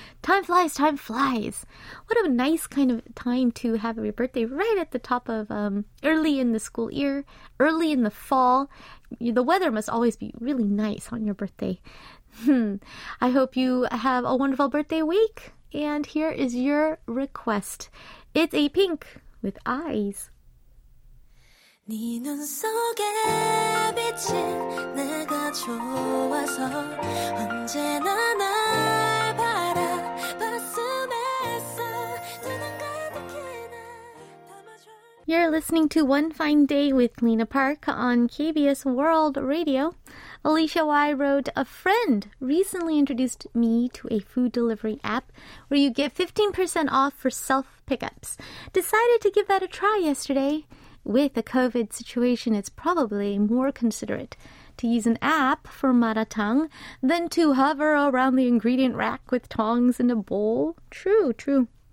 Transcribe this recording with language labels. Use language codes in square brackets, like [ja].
[en] Time flies, time flies. What a nice kind of time to have your birthday right at the top of early in the school year, early in the fall. The weather must always be really nice on your birthday. I hope you have a wonderful birthday week. And here is your request. It's A Pink with Eyes. [ko] 네 눈 속에 비친 내가 좋아서 언제나 날 바라봤음에서 두 눈 가득히나 담아줘. [en] You're listening to One Fine Day with Lena Park on KBS World Radio. Alicia Y wrote, a friend recently introduced me to a food delivery app where you get 15% off for self-pickups. Decided to give that a try yesterday. With the COVID situation, it's probably more considerate to use an app for maratang than to hover around the ingredient rack with tongs in a bowl. True, true.